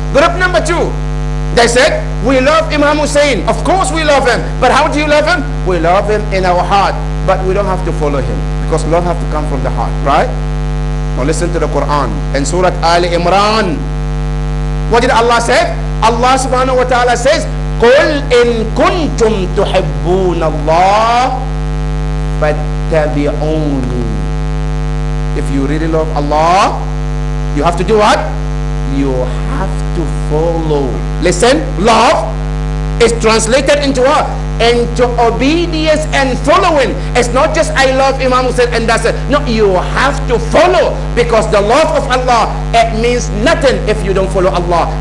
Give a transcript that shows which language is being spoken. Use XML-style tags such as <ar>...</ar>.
<en>Group number two, they said, we love Imam Hussein. Of course we love him. But how do you love him? We love him in our heart. But we don't have to follow him. Because love has to come from the heart, right? Now listen to the Quran. In Surah Ali Imran, what did Allah say? Allah subhanahu wa ta'ala says,</en> <ar>قُلْ إِن كُنْتُمْ تُحِبُّونَ اللَّهِ فَاتَّبِعُونِ.</ar> <en>If you really love Allah, you have to do what? You have to follow. Listen, love is translated into what? Into obedience and following. It's not just I love Imam Hussein and that's it. No, you have to follow, because the love of Allah, it means nothing if you don't follow Allah.</en>